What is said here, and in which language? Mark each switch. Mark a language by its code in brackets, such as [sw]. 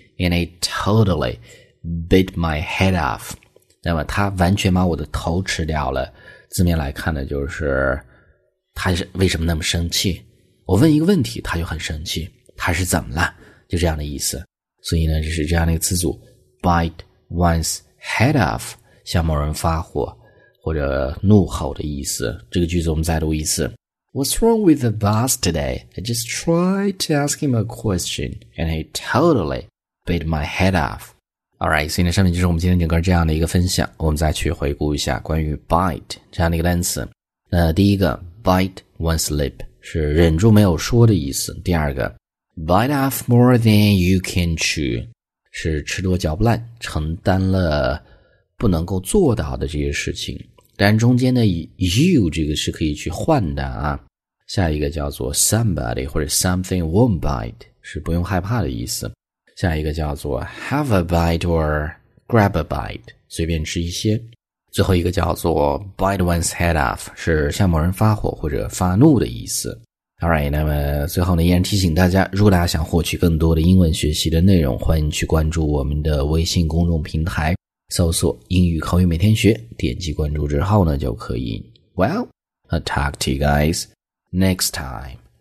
[en] And he totally bit my head off. [zh] 那么他完全把我的头吃掉了。字面来看的就是他为什么那么生气？我问一个问题他就很生气。他是怎么了？就这样的意思。所以呢就是这样的一个词组， [en] bite one'sHead off， [zh] 向某人发火或者怒吼的意思。这个句子我们再读一次， [en] What's wrong with the boss today? I just tried to ask him a question and he totally bit my head off. Alright， [zh] 所以呢上面就是我们今天整个这样的一个分享。我们再去回顾一下关于 bite 这样的一个单词。那第一个 [en] bite one's lip [zh] 是忍住没有说的意思，第二个 [en] bite off more than you can chew [zh] 是吃多嚼不烂，承担了不能够做到的这些事情。但中间的 you 这个是可以去换的啊。下一个叫做 somebody 或者 [en] something won't bite， [zh] 是不用害怕的意思。下一个叫做 [en] have a bite or grab a bite, [zh] 随便吃一些。最后一个叫做 [en] bite one's head off, [zh] 是向某人发火或者发怒的意思。 [en] Alright, [zh] 那么最后呢依然提醒大家，如果大家想获取更多的英文学习的内容，欢迎去关注我们的微信公众平台，搜索英语口语每天学，点击关注之后呢就可以。 [en] Well, I'll talk to you guys next time.